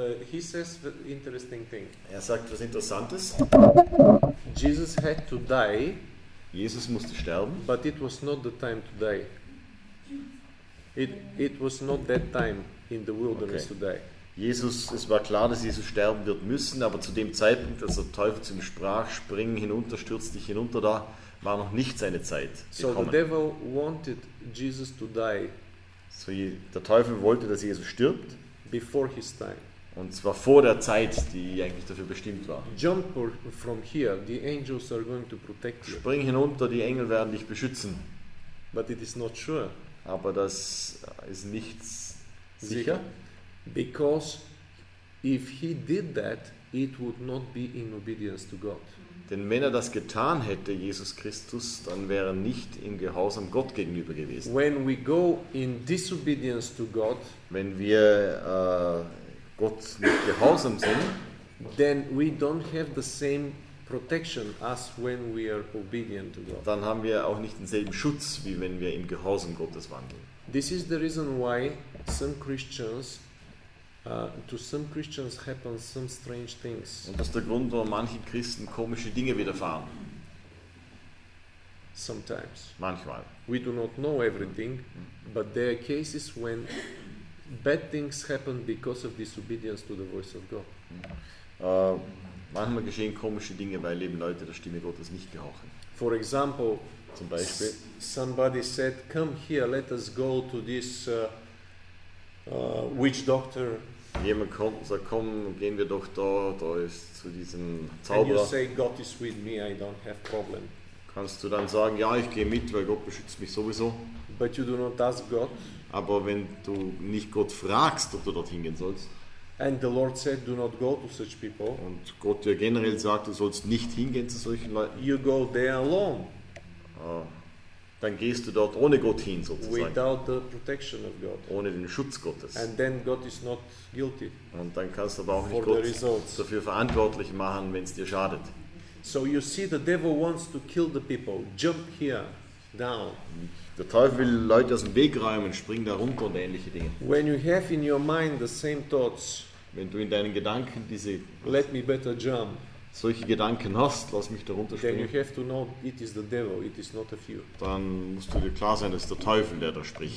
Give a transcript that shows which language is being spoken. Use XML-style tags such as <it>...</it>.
<en>He says the interesting thing.</en> <de>Er sagt was Interessantes.</de> <en>Jesus had to die.</en> <de>Jesus musste sterben.</de> <en>But it was not the time to die. It was not that time in the wilderness, okay, to die.</en> <de>Jesus, es war klar, dass Jesus sterben wird müssen, aber zu dem Zeitpunkt, als der Teufel zu ihm sprach, spring hinunter, stürz dich hinunter da, war noch nicht seine Zeit gekommen.</de> <en>So the devil wanted Jesus to die.</en> <de>So der Teufel wollte, dass Jesus stirbt.</de> <en>Before his time.</en> <de>Und zwar vor der Zeit, die eigentlich dafür bestimmt war.</de> <en>Jump from here, the angels are going to protect you.</en> <de>Spring hinunter, die Engel werden dich beschützen.</de> <en>But it is not sure.</en> <de>Aber das ist nicht sicher.</de> <en>Because if he did that, it would not be in obedience to God.</en> <de>Denn wenn er das getan hätte, Jesus Christus, dann wäre er nicht im Gehorsam Gott gegenüber gewesen.</de> <en>When we go in disobedience to God,</en> <de>wenn wir Gott nicht gehorsam sind,</de> <en>then we don't have the same protection as when we are obedient to God.</en> <de>Dann haben wir auch nicht denselben Schutz wie wenn wir im Gehorsam Gottes wandeln.</de> <en>This is the reason why some Christians to some Christians happen some strange things.</en> <de>Und das ist der Grund, warum manchen Christen komische Dinge widerfahren.</de> <en>Sometimes.</en> <de>Manchmal.</de> <en>We do not know everything, but there are cases when bad things happen because of disobedience to the voice of God.</en> <de>Manchmal geschehen komische Dinge, weil eben Leute der Stimme Gottes nicht gehorchen.</de> <en>For example,</en> <de>zum Beispiel,</de> <en>somebody said, "Come here, let us go to this." Witch doctor.</en> <de>Jemand kommt und sagt, komm, gehen wir doch da ist zu diesem Zauberer.</de> <en>And you say, God is with me, I don't have problem.</en> <de>Kannst du dann sagen, ja, ich gehe mit, weil Gott beschützt mich sowieso.</de> <en>But you do not ask God.</en> <de>Aber wenn du nicht Gott fragst, ob du dorthin gehen sollst.</de> <en>And the Lord said, do not go to such people.</en> <de>Und Gott dir generell sagt, du sollst nicht hingehen zu solchen Leuten.</de> <en>You go there alone.</en> <de>Dann gehst du dort ohne Gott hin, sozusagen.</de> <en>Without the protection of God.</en> <de>Ohne den Schutz Gottes.</de> <en>And then God is not guilty.</en> <de>Und dann kannst du aber auch nicht Gott dafür verantwortlich machen, wenn es dir schadet.</de> <en>So you see, the devil wants to kill the people. Jump here, down.</en> <de>Der Teufel will Leute aus dem Weg räumen, springen da runter und ähnliche Dinge.</de> <en>When you have in your mind the same thoughts,</en> <de>wenn du in deinen Gedanken diese,</de> <en>let me better jump,</en> <de>solche Gedanken hast, lass mich darunter springen.</de> <en>Then you have to know it is the devil, it is not a few.</en> <de>Dann musst du dir klar sein, dass der Teufel, der da spricht.</de>